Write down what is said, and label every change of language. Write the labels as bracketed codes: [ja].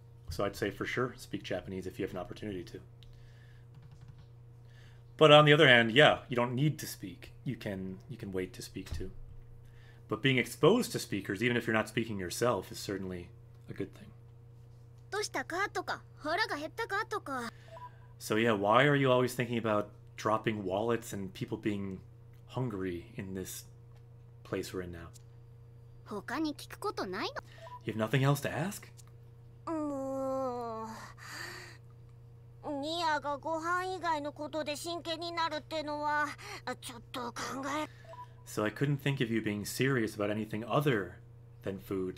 [en] So I'd say for sure, speak Japanese if you have an opportunity to. But on the other hand, yeah, you don't need to speak. You can wait to speak too. But being exposed to speakers, even if you're not speaking yourself, is certainly a good thing. [ja] どうしたかとか、腹が減ったかとか。 [en] So yeah, why are you always thinking about dropping wallets and people being hungry in this place we're in now? [ja] 他に聞くことないの? [en] You have nothing else to ask? [ja] ニアがご飯以外のことで真剣になるってのはちょっと考え。 [en] So I couldn't think of you being serious about anything other than food.